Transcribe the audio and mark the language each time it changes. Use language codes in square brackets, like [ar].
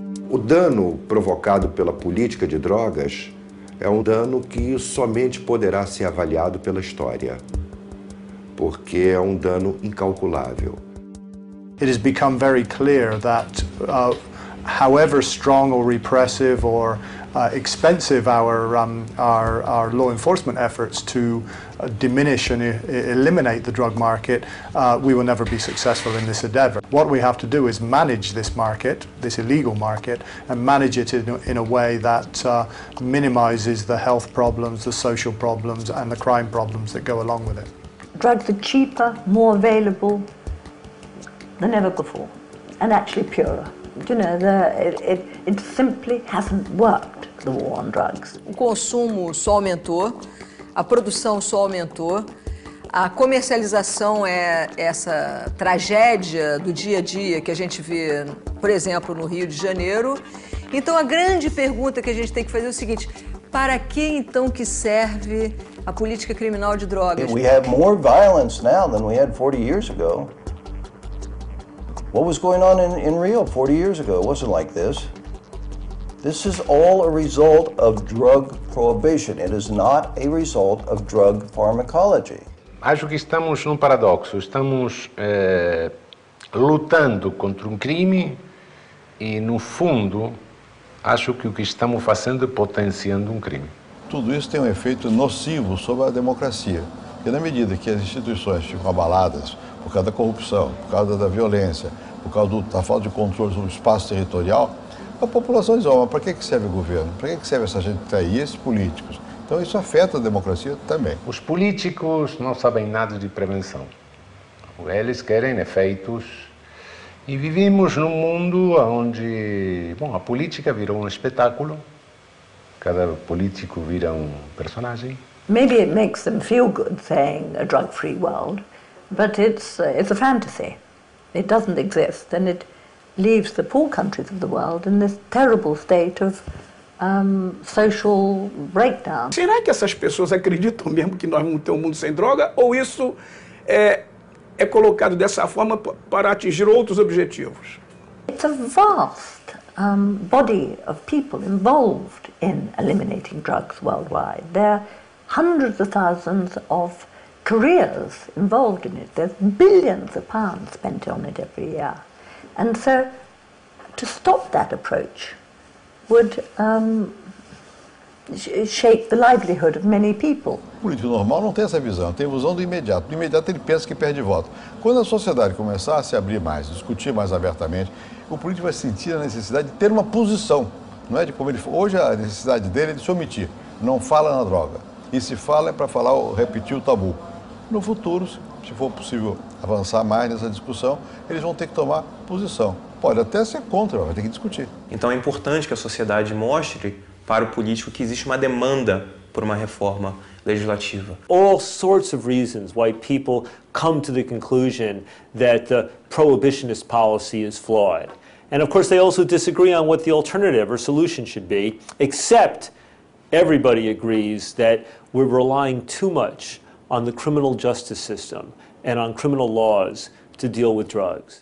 [pt] O dano provocado pela política de drogas é um dano que somente poderá ser avaliado pela história, porque é um dano incalculável. [en] It has become very clear that however strong or repressive or expensive our law enforcement efforts to diminish and eliminate the drug market, we will never be successful in this endeavor. What we have to do is manage this market, this illegal market, and manage it in a way that minimizes the health problems, the social problems, and the crime problems that go along with it. Drugs are cheaper, more available than ever before, and actually purer. You know, it simply hasn't worked, the war on drugs. [pt] O consumo só aumentou, a produção só aumentou, a comercialização é essa tragédia do dia a dia que a gente vê, por exemplo, no Rio de Janeiro. Então, a grande pergunta que a gente tem que fazer é o seguinte: para que então que serve a política criminal de drogas? [en] We have more violence now than we had 40 years ago. What was going on in Rio 40 years ago? It wasn't like this. This is all a result of drug prohibition. It is not a result of drug pharmacology. [pt] Acho que estamos num paradoxo. Estamos lutando contra crime e, no fundo, acho que o que estamos fazendo é potenciando crime. Tudo isso tem efeito nocivo sobre a democracia. Porque na medida que as instituições ficam abaladas por causa da corrupção, por causa da violência, por causa da falta de controle sobre o espaço territorial, a população diz, mas para que serve o governo? Para que serve essa gente que está aí, esses políticos? Então isso afeta a democracia também. Os políticos não sabem nada de prevenção. Eles querem efeitos. E vivemos num mundo onde, bom, a política virou um espetáculo. Cada político vira um personagem. [en] Maybe it makes them feel good saying a drug-free world, but it's a fantasy. It doesn't exist, and it leaves the poor countries of the world in this terrible state of social breakdown. [pt] Será que essas pessoas acreditam mesmo que nós vamos ter um mundo sem droga, ou isso é colocado dessa forma para atingir outros objetivos? [en] It's a vast body of people involved in eliminating drugs worldwide. There are hundreds of thousands of careers involved in it. There's billions of pounds spent on it every year. And so to stop that approach would shape the livelihood of many people. [pt] O político normal não tem essa visão, tem a visão do imediato. No imediato ele pensa que perde voto. Quando a sociedade começar a se abrir mais, discutir mais abertamente, o político vai sentir a necessidade de ter uma posição, não é? De como ele, hoje a necessidade dele é de se omitir. Não fala na droga. E se fala é para falar, repetir o tabu. No futuro, se for possível avançar mais nessa discussão, eles vão ter que tomar posição. Pode até ser contra, mas vai ter que discutir. Então é importante que a sociedade mostre para o político que existe uma demanda por uma reforma legislativa. [en] All sorts of reasons why people come to the conclusion that the prohibitionist policy is flawed. And of course they also disagree on what the alternative or solution should be, except everybody agrees that we're relying too much on the criminal justice system and on criminal laws to deal with drugs.